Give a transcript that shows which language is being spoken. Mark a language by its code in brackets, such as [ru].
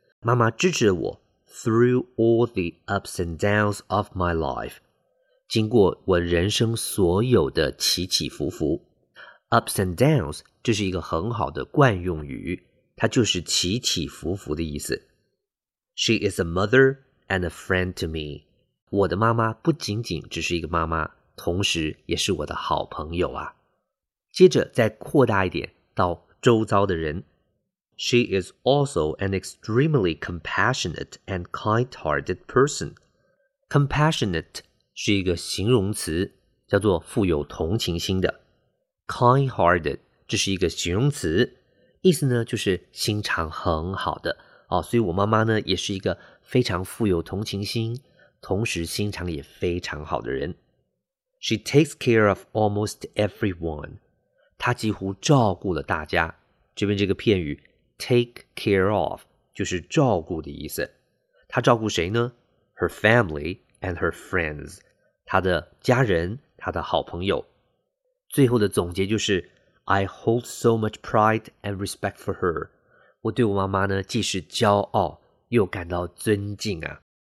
[zh] 妈妈支持了我 [en] through all the ups and downs of my life. [zh] 经过我人生所有的起起伏伏。 Ups and downs 这是一个很好的惯用语，它就是起起伏伏的意思。 [en] She is a mother and a friend to me. [zh] 我的妈妈不仅仅只是一个妈妈，同时也是我的好朋友啊。接着再扩大一点到周遭的人。 [en] She is also an extremely compassionate and kind-hearted person. [zh] Compassionate 是一个形容词，叫做富有同情心的。 Kind-hearted 这是一个形容词，意思呢就是心肠很好的。所以我妈妈呢也是一个非常富有同情心，同时心肠也非常好的人。 [en] She takes care of almost everyone. [zh] 她几乎照顾了大家。这边这个片语 take care of 就是照顾的意思。她照顾谁呢？ [en] Her family and her friends. [zh] 她的家人，她的好朋友。最后的总结就是 [en] I hold so much pride and respect for her. [zh] 我对我妈妈呢既是骄傲又感到尊敬啊。